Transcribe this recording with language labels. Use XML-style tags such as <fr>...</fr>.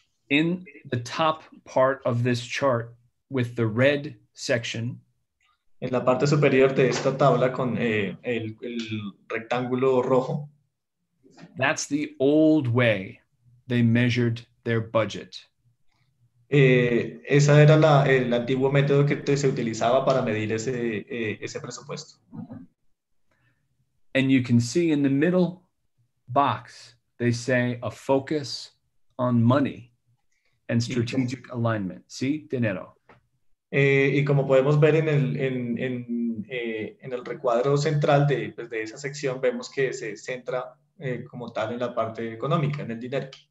<en>In the top part of this chart with the red section.</en> <es>En la parte superior de esta tabla con el rectángulo rojo.</es> <en>That's the old way they measured their budget.</en> <es>Esa era el antiguo método que se utilizaba para medir ese presupuesto.</es> <en>And you can see in the middle box, they say a focus on money. And strategic alignment,</en> <es>¿sí? Dinero. Y como podemos ver en el recuadro central de, pues de esa sección, vemos que se centra como tal en la parte económica, en el dinero.</es>